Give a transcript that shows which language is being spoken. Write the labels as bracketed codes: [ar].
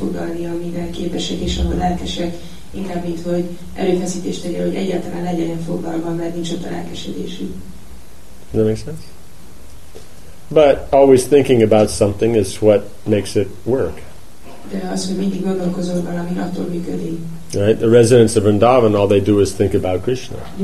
[hu] Inkább mint hogy erőfeszítést tegye, hogy egyáltalán legyen fogalmam, mert nincs ott a lelkesedésük. [en] Does that make sense? But always thinking about something is what makes it work. [hu] De az, hogy mindig gondolkozol valami, attól működik. [en] Right? The residents of Vrindavan, all they do is think about Krishna.